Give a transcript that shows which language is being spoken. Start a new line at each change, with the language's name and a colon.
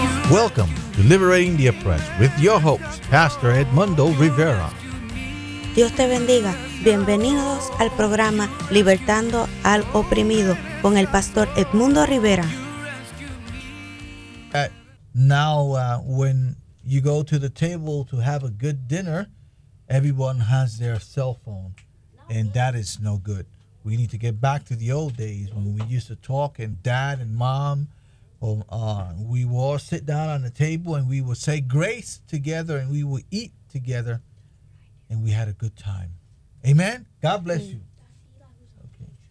English: Welcome to Liberating the Oppressed with your host, Pastor Edmundo Rivera.
Spanish: Dios te bendiga. Bienvenidos al programa Libertando al Oprimido con el Pastor Edmundo Rivera.
English: Now, when you go to the table to have a good dinner, everyone has their cell phone, and that is no good. We need to get back to the old days when we used to talk, and Dad and Mom, we will all sit down on the table and we will say grace together and we will eat together, and we had a good time. Amen. God bless you. Okay.